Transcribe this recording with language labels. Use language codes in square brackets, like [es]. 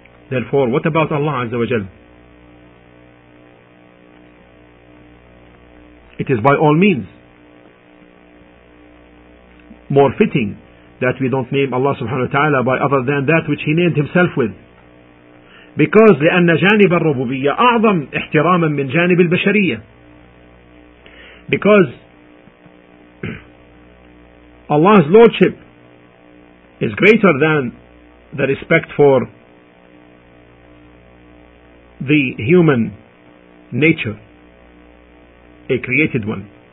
[en] Therefore, what about Allah Azza wa Jal? It is by all means more fitting that we don't name Allah subhanahu wa ta'ala by other than that which he named himself with. Because [ar] لأن جانب الربوبية أعظم احتراما من جانب البشرية. [en] Because Allah's Lordship is greater than the respect for the human nature, a created one.